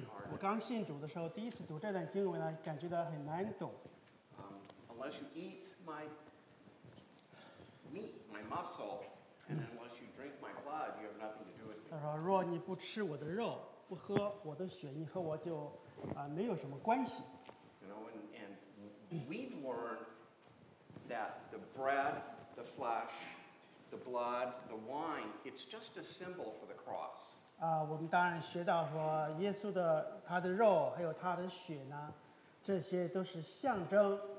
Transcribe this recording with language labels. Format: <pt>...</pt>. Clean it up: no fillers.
<zh>我刚信主的时候，第一次读这段经文呢，感觉到很难懂。</zh> <en>Unless you eat my meat, my muscle, and unless you drink my blood, you have nothing to do with me.</en> <zh>他说：“若你不吃我的肉，不喝我的血，你和我就没有什么关系。”</zh> <en>You know, and we've learned that the bread, the flesh, the blood, the wine—it's just a symbol for the cross.</en> <zh>我们当然学到说，耶稣的他的肉还有他的血呢，这些都是象征。</zh>